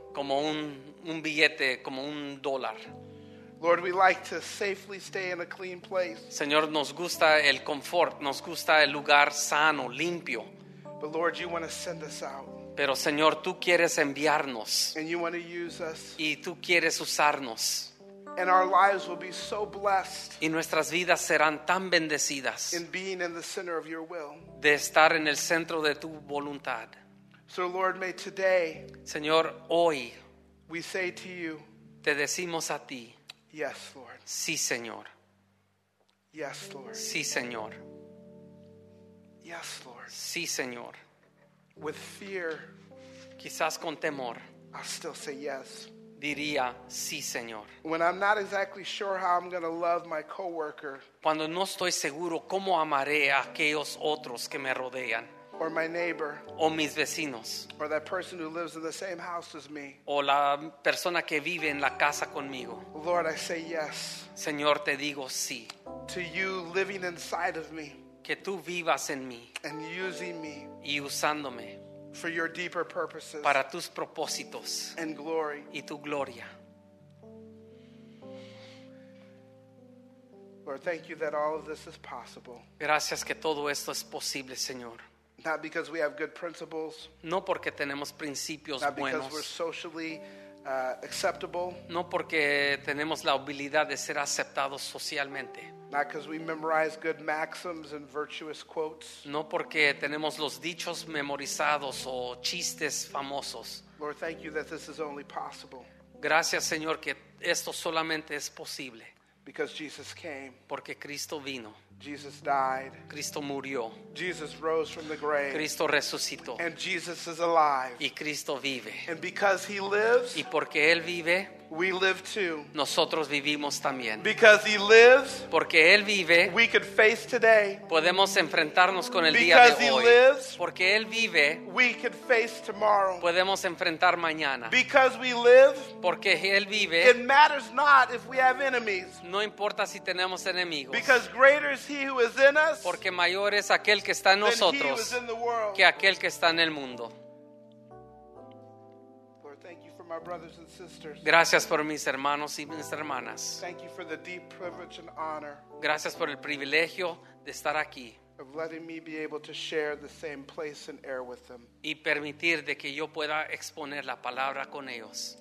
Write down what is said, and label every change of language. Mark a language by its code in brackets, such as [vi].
[es] Como un billete, como un dólar. [en] Lord, we like to safely stay in a clean place. [es] Señor, nos gusta el confort, nos gusta el lugar sano, limpio. [en] But Lord, you want to send us out. [es] Pero Señor, tú quieres enviarnos. [en] And you want to use us. [es] Y tú quieres usarnos. [en] And our lives will be so blessed. [es] Y nuestras vidas serán tan bendecidas. [en] In being in the center of your will. [es] De estar en el centro de tu voluntad. [en] So Lord, may today, [es] Señor, hoy, [en] we say to you, [es] te decimos a ti, [en] yes, Lord, [es] sí, Señor, [en] yes, Lord, [es] sí, Señor, [en] yes, Lord, [es] sí, Señor, [en] with fear, [es] quizás con temor, [en] I'll still say yes, [es] diría sí, Señor. [en] When I'm not exactly sure how I'm going to love my coworker, [es] cuando no estoy seguro cómo amaré a aquellos otros que me rodean. [en] Or my neighbor. [es] O mis vecinos. [en] Or that person who lives in the same house as me. [es] O la persona que vive en la casa conmigo. [en] Lord, I say yes. [es] Señor, te digo sí. [en] To you living inside of me. [es] Que tú vivas en mí. [en] And using me. [es] Y usándome. [en] For your deeper purposes. [es] Para tus propósitos. [en] And glory. [es] Y tu gloria. [en] Lord, thank you that all of this is possible. [es] Gracias que todo esto es posible, Señor. [en] Not because we have good principles. [es] No porque tenemos principios buenos. [en] Not because [es] buenos. [en] We're socially acceptable. [es] No porque tenemos la habilidad de ser aceptados socialmente. [en] Not because we memorize good maxims and virtuous quotes. [es] No porque tenemos los dichos memorizados o chistes famosos. [en] Lord, thank you that this is only possible. [es] Gracias, Señor, que esto solamente es posible. [en] Because Jesus came. [es] Porque Cristo vino. [en] Jesus died. [es] Cristo murió. [en] Jesus rose from the grave. [es] Cristo resucitó. [en] And Jesus is alive. [es] Y Cristo vive. [en] And because he lives, [es] y porque él vive, [en] we live too. [es] Nosotros vivimos también. [en] Because he lives, [es] porque él vive, [en] we could face today. [es] Podemos enfrentarnos con el [en] because [es] día de [en] he [es] hoy. [en] Lives, [es] porque él vive, [en] we could face tomorrow. [es] Podemos enfrentar mañana. [en] Because we live, [es] porque él vive, [en] it matters not if we have enemies. [es] No importa si tenemos enemigos. [en] Because greater is he who is in us, [es] porque mayor es aquel que está en nosotros, [en] than he who is in the world. [es] Que aquel que está en el mundo. [en] My brothers and sisters. [es] Gracias por mis hermanos y mis hermanas. [en] Thank you for the deep privilege and honor. [es] Gracias por el privilegio de estar aquí. [en] Of letting me be able to share the same place and air with them. [es] Y permitir de que yo pueda exponer la palabra con ellos.